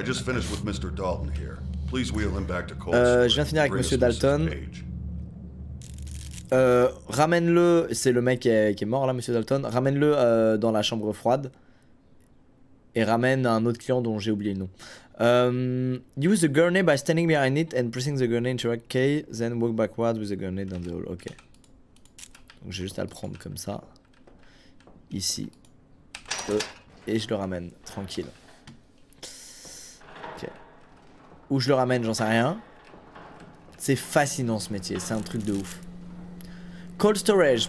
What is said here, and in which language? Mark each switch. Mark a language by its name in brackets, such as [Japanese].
[English] I just finished with Mr. Dalton here. Please wheel him back to Cold [French] Je viens de finir avec Monsieur Dalton. Ramène-le, c'est le mec qui est mort là, Monsieur Dalton. Ramène-le dans la chambre froide. Et ramène un autre client dont j'ai oublié le nom. [English] Use the gurney by standing behind it and pressing the gurney into a key, then walk backwards with the gurney down the hall. Ok. [French] Donc j'ai juste à le prendre comme ça. Ici. Et je le ramène, tranquille. Ok. Où je le ramène, j'en sais rien. C'est fascinant ce métier, c'est un truc de ouf. Cold storage.